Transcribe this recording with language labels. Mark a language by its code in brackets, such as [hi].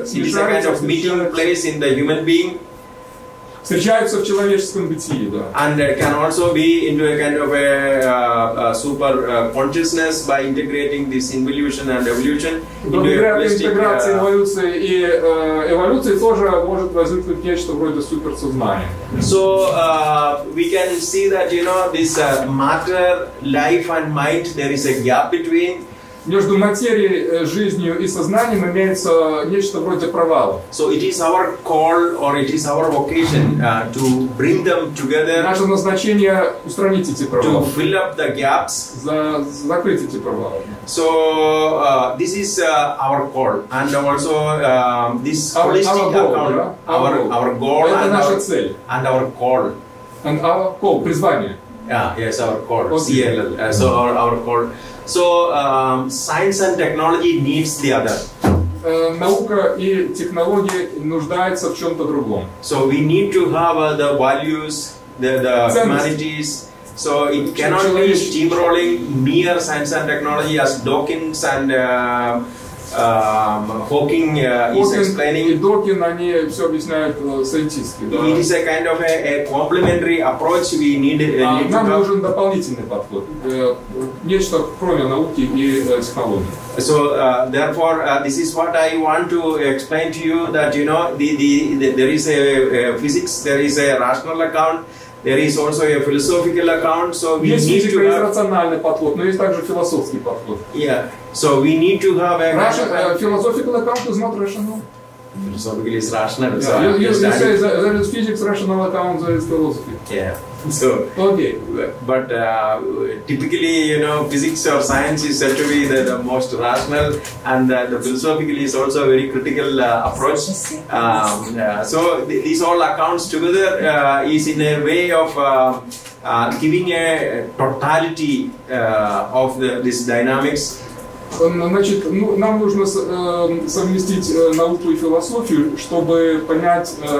[en] It's a kind of meeting place in the human being. [ru] Встречаются в человеческом бытии, да. [en] And can also be into a kind of a super consciousness by integrating this involution and evolution. [ru] Интеграция эволюции и эволюции тоже может возникнуть нечто вроде суперсознания. [en] So we can see that, you know, this matter, life and mind, there is a gap between. [ru] Между материей, жизнью и сознанием имеется нечто вроде провала. [en] So it is our call or it is our vocation to bring them together. [ru] Наше назначение устранить эти провалы. [en] To fill up the gaps. [ru] Закрыть эти провалы. [en] So this is our call and also this holistic goal. Our goal. [ru] Это наша цель. [en] And our call. And our call. [ru] Призвание. [en] Yes, our call. CLL. So our call. So science and technology needs the other. [ru] Наука и технологии нуждаются в чем-то другом. [en] So we need to have the values, the humanities. So it cannot be steamrolling mere science and technology as Dawkins and Hawking is explaining. [ru] Dawkins, они все объясняют сайентистски. [en] It is a kind of a complementary approach we need. [ru] Нам нужен дополнительный подход. Нечто кроме науки и технологий. [en] So therefore, this is what I want to explain to you, that, you know, there is a physics, there is a rational account, there is also a philosophical account. So we [ru] есть [en] need to have. [ru] Есть рациональный подход, но есть также философский подход. [en] Yeah. So we need to have a. Philosophical account is not rational. Philosophical is rational. Yeah. So you say there is physics rational account, there is philosophy. Yeah. So okay, but typically, you know, physics or science is said to be the most rational, and the philosophical is also a very critical approach. So these all accounts together is in a way of giving a totality of this dynamics. [ru] Значит, ну, нам нужно совместить науку и философию, чтобы понять.